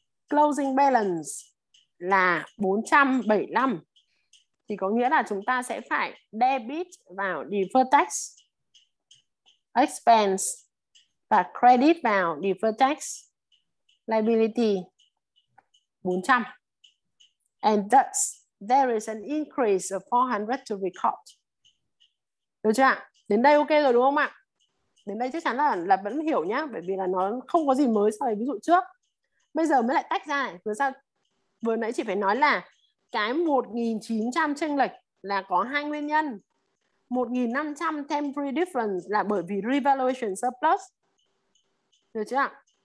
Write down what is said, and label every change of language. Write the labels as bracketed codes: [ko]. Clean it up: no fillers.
[vi] Closing balance là 475. Thì có nghĩa là chúng ta sẽ phải debit vào deferred tax expense và credit vào deferred tax liability 400. [en] And thus there is an increase of 400 to record. [vi] Được chưa ạ? Đến đây ok rồi đúng không ạ? Đến đây chắc chắn là vẫn hiểu nhá, bởi vì là nó không có gì mới so với ví dụ trước. Bây giờ mới lại tách ra. Vừa nãy chị phải nói là cái 1.900 chênh lệch là có hai nguyên nhân. 1.500 temporary difference là bởi vì revaluation surplus. Được chưa ạ?